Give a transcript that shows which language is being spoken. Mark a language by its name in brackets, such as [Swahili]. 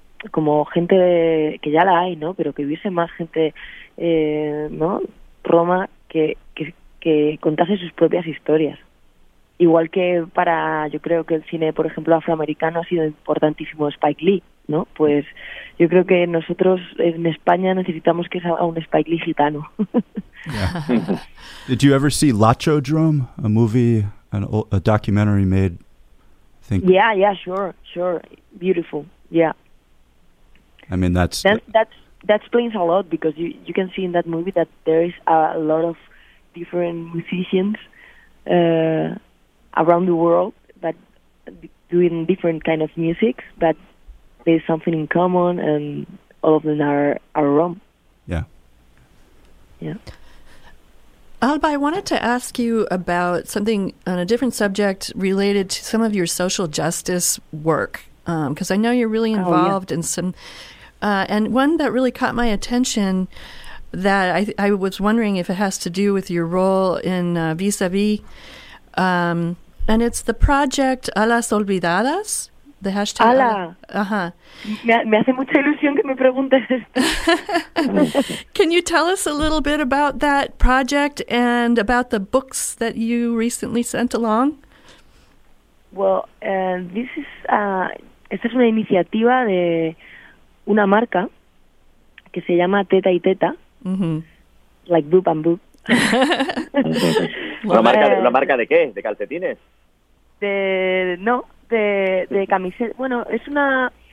[Spanish] como gente de, que ya la hay, ¿no? Pero que hubiese más gente, ¿no? Roma, que contase sus propias historias. Igual que para, yo creo que el cine, por ejemplo, afroamericano ha sido importantísimo Spike Lee, ¿no? Pues yo creo que nosotros en España necesitamos que salga un Spike Lee gitano. [English] Yeah. Did you ever see Lachodrome, a movie, a documentary made? I think. Yeah, sure, sure. Beautiful, yeah. I mean, that's... That explains a lot, because you can see in that movie that there is a lot of different musicians around the world that doing different kind of music, but there's something in common, and all of them are Rom. Yeah. Yeah. Alba, I wanted to ask you about something on a different subject related to some of your social justice work, because I know you're really involved in some... and one that really caught my attention that I was wondering if it has to do with your role in Vis-a-Vis, and it's the project A Las Olvidadas, the hashtag. Ala. [Spanish] Me hace mucha ilusión que me preguntes. [English] Can you tell us a little bit about that project and about the books that you recently sent along? Well, this is... [Spanish] esta es una iniciativa de... una marca que se llama Teta y Teta, mm-hmm. [English] like boob and boob. [Spanish] ¿La marca de qué? ¿De calcetines? De camiseta. Bueno, es una...